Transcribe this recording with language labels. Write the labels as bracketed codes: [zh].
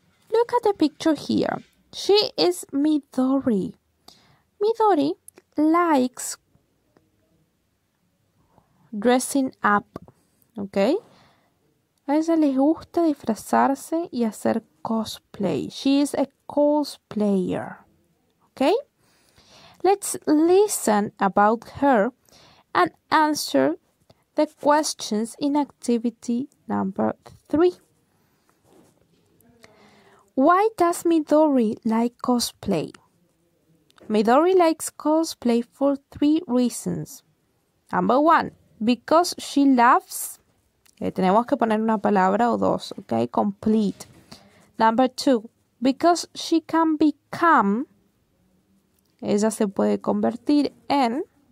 [en] Look at the picture here. She is Midori. Midori likes dressing up. ¿Ok? [es] A ella le gusta disfrazarse y hacer cosplay. [en] She is a cosplayer. ¿Ok? Let's listen about her. And answer the questions in activity number 3. Why does Midori like cosplay? Midori likes cosplay for 3 reasons. Number 1, because she loves. Okay, [es] tenemos que poner una palabra o dos, [en] okay? Complete. Number 2, because she can become. [es] Ella se puede convertir en.